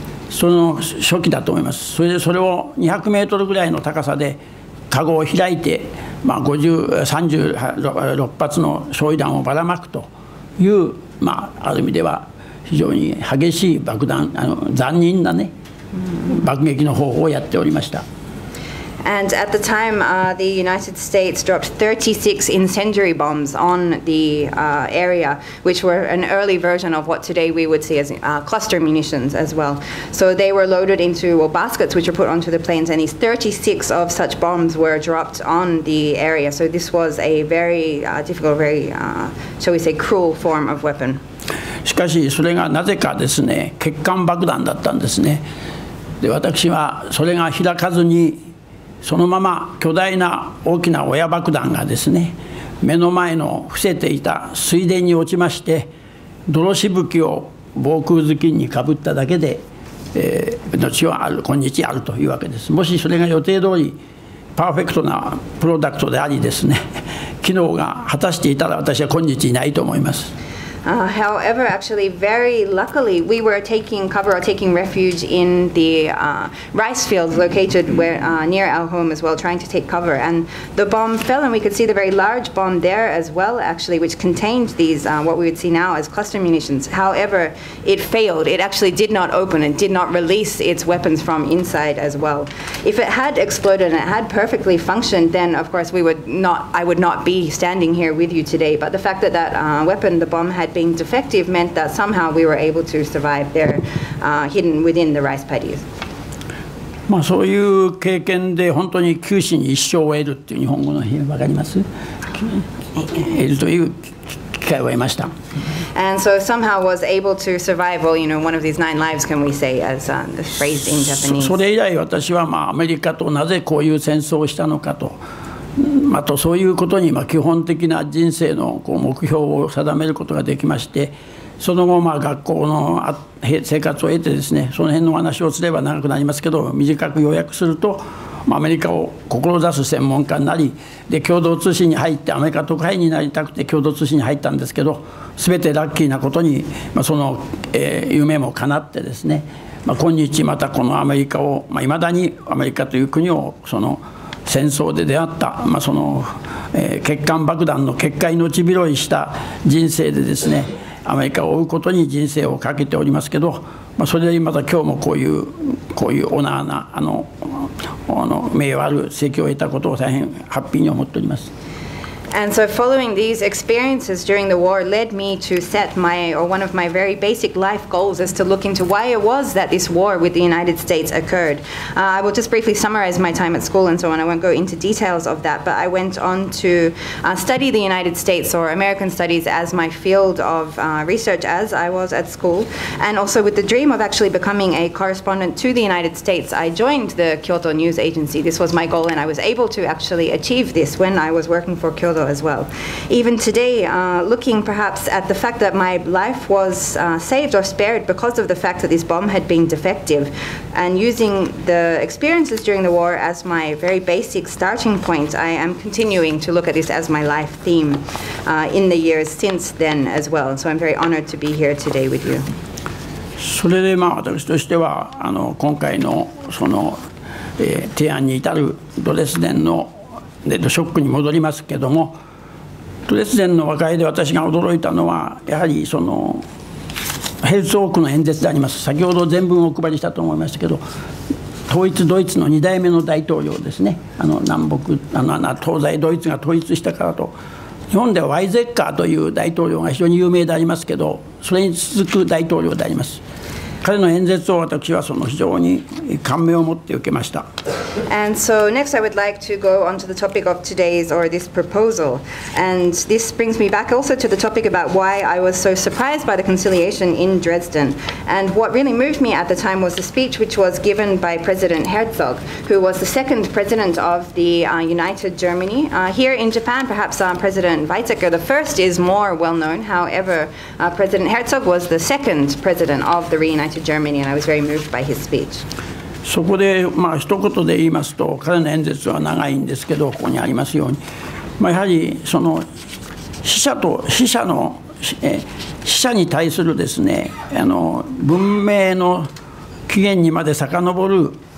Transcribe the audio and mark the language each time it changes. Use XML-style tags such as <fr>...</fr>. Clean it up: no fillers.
<ja>その初期だと思います。それでそれを200メートルぐらいの高さでカゴを開いて、まあ、36発の焼夷弾をばらまくという、まあ、ある意味では非常に激しい爆弾、残忍な、ね、爆撃の方法をやっておりました。</ja> <en>And at the time, the United States dropped 36 incendiary bombs on the area, which were an early version of what today we would see as cluster munitions as well. So they were loaded into baskets, which were put onto the planes, and these 36 of such bombs were dropped on the area. So this was a very difficult, very, shall we say, cruel form of weapon.</en> <ja>しかしそれがなぜかですね、欠陥爆弾だったんですね。で、私はそれが開かずに、そのまま巨大な大きな親爆弾がですね、目の前の伏せていた水田に落ちまして、泥しぶきを防空頭巾にかぶっただけで、命はある、今日あるというわけです。もしそれが予定通りパーフェクトなプロダクトでありですね、機能が果たしていたら私は今日いないと思います。</ja> <en>However, actually, very luckily, we were taking cover or taking refuge in the rice fields located where, near our home as well, trying to take cover. And the bomb fell, and we could see the very large bomb there as well, actually, which contained these, what we would see now as cluster munitions. However, it failed. It actually did not open and did not release its weapons from inside as well. If it had exploded and it had perfectly functioned, then, of course, I would not be standing here with you today. But the fact that that weapon, the bomb, had being defective meant that somehow we were able to survive there, hidden within the rice paddies.</en> <ja>まあそういう経験で本当に九死に一生を得るっていう日本語の意味わかります？得るという機会を得ました。</ja> <en>And so somehow was able to survive, well, you know, one of these nine lives, can we say, as the phrase in Japanese.</en> <ja>それ以来私はまあアメリカとなぜこういう戦争をしたのかと。あとそういうことに基本的な人生の目標を定めることができまして、その後まあ学校の生活を得てですね、その辺の話をすれば長くなりますけど、短く要約するとアメリカを志す専門家になり、で共同通信に入ってアメリカ特派員になりたくて共同通信に入ったんですけど、全てラッキーなことにその夢も叶ってですね、今日またこのアメリカを、いまだにアメリカという国をその戦争で出会った、その、欠陥爆弾の決壊の血拾いした人生でですね、アメリカを追うことに人生をかけておりますけど、それでまた今日もこういうオナーな名誉ある席を得たことを大変ハッピーに思っております。</ja> <en>And so following these experiences during the war led me to set one of my very basic life goals as to look into why it was that this war with the United States occurred. I will just briefly summarize my time at school and so on. I won't go into details of that, but I went on to study the United States or American studies as my field of research as I was at school. And also with the dream of actually becoming a correspondent to the United States, I joined the Kyoto News Agency. This was my goal, and I was able to actually achieve this when I was working for Kyoto as well. Even today, looking perhaps at the fact that my life was saved or spared because of the fact that this bomb had been defective, and using the experiences during the war as my very basic starting point, I am continuing to look at this as my life theme in the years since then as well. So I'm very honored to be here today with you.</en> <ja>それで私としては今回のその提案に至るドレスデンのショックに戻りますけども、ドレスデンの和解で私が驚いたのは、やはりそのヘルツォークの演説であります。先ほど全文をお配りしたと思いましたけど、統一ドイツの2代目の大統領ですね。あの南北あの東西ドイツが統一したからと、日本ではワイゼッカーという大統領が非常に有名でありますけど、それに続く大統領であります。彼の演説を私はその非常に感銘を持って受けました。</ja> <en>And so next I would like to go on to the topic of today's or this proposal. And this brings me back also to the topic about why I was so surprised by the conciliation in Dresden. And what really moved me at the time was the speech which was given by President Herzog, who was the second president of the United Germany. Here in Japan, perhaps President Weizsäcker the first is more well known. However, President Herzog was the second president of the reunited Germany, and I was very moved by his speech.</en> <ja>そこで、まあ、一言で言いますと、彼の演説は長いんですけど、ここにありますように、まあ、やはりその死者と死者の死者に対するですね、あの文明の起源にまで遡る</ja>